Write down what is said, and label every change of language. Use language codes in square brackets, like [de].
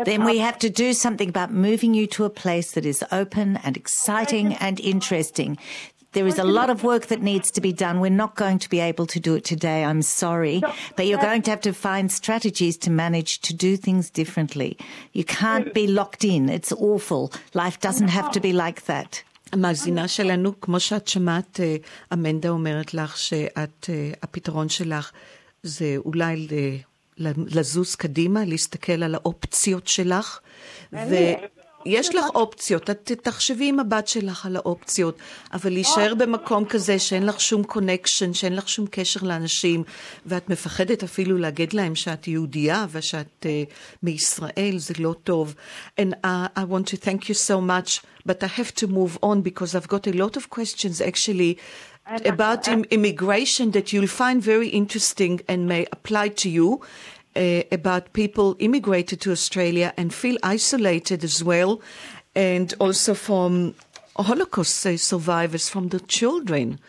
[en] We have to do something about moving you to a place that is open and exciting and interesting. There is a lot of work that needs to be done. We're not going to be able to do it today, I'm sorry. But you're going to have to find strategies to manage to do things differently. You can't be locked in. It's awful. Life doesn't have to be like that. [he] המאזינה שלנו, כמו שאת שמעת, אמנדה אומרת לך שאת, הפתרון שלך זה אולי לזוז קדימה, להסתכל על האופציות שלך. ויש לך אופציות, את תחשבי עם הבת שלך על האופציות, אבל להישאר במקום כזה שאין לך שום קונקשן, שאין לך שום קשר לאנשים, ואת מפחדת אפילו להגיד להם שאת יהודיה ושאת מישראל, זה לא טוב. [en] And I want to thank you so much. But I have to move on because I've got a lot of questions actually about immigration that you'll find very interesting and may apply to you, about people immigrated to Australia and feel isolated as well, and also from Holocaust survivors, from the children.